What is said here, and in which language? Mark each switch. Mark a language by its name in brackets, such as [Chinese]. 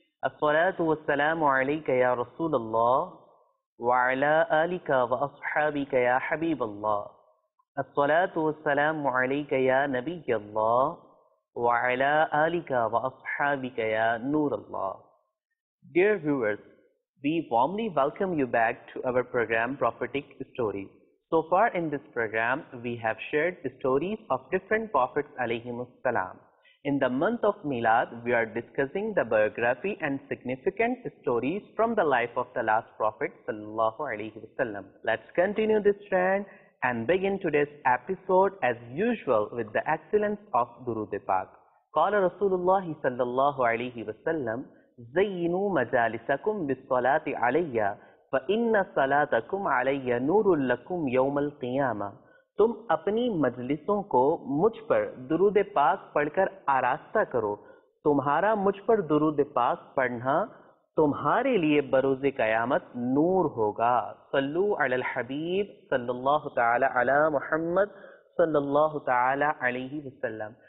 [Arabic] الصلاة والسلام عليك يا رسول الله وعلى آلك وأصحابك يا حبيب الله. الصلاة والسلام عليك يا نبي الله وعلى آلك وأصحابك يا نور الله. [English] Dear viewers, we warmly welcome you back to our program Prophetic Stories. So far in this program, we have shared the stories of different prophets alayhimus salam. In the month of Milad, we are discussing the biography and significant stories from the life of the last prophet sallallahu alayhi wasallam. Let's continue this trend and begin today's episode as usual with the excellence of Durood e Pak. [Arabic] Qala Rasulullah sallallahu alayhi wasallam, زينوا مجالسكم بالصلاة علي فإن صلاتكم علي نور لكم يوم القيامة. [Urdu] تم اپنی مجلسوں کو مجھ پر درود پاک پڑھ کر آراستہ کرو، تمہارا مجھ پر درود پاک پڑھنا تمہارے لیے بروز قیامت نور ہوگا. [Arabic] صلو علی الحبیب صلی اللہ تعالی علی محمد صلی اللہ تعالی علیہ وسلم.